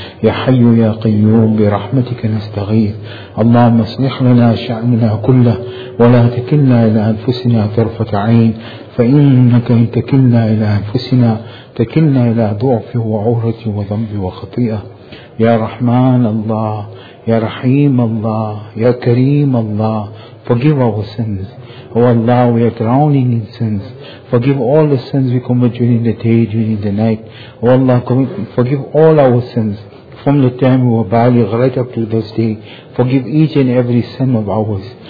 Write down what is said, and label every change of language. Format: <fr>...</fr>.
<ar>يا حي يا قيوم برحمتك نستغيث. اللهم اصلح لنا شأننا كله، ولا تكلنا إلى أنفسنا طرفة عين، فإنك إن تكلنا إلى أنفسنا تكلنا إلى ضعف وعورة وذنب وخطيئة. يا رحمن الله يا رحيم الله يا كريم الله،</ar> <en>forgive our sins. O Allah, we are drowning in sins. Forgive all the sins we commit during the day, during the night. O Allah, forgive all our sins from the time we were baligh right up to this day. Forgive each and every sin of ours.</en>